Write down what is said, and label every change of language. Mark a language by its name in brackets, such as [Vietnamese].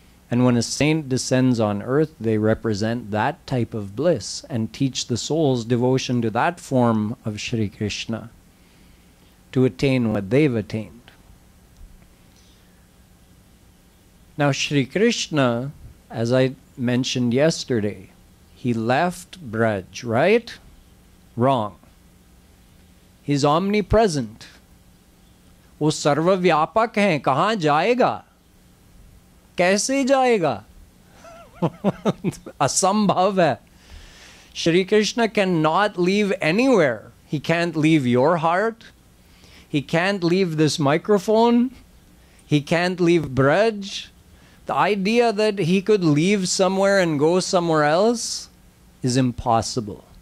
[English] And when a saint descends on earth, they represent that type of bliss and teach the soul's devotion to that form of Shri Krishna to attain what they've attained. Now, Shri Krishna, as I mentioned yesterday, he left Braj, right? Wrong. He's omnipresent. [Hindi] वो सर्व व्यापक हैं, कहाँ जाएगा? कैसे जाएगा? असंभव है। [English] Shri Krishna cannot leave anywhere. He can't leave your heart. He can't leave this microphone. He can't leave Braj. The idea that he could leave somewhere and go somewhere else is impossible.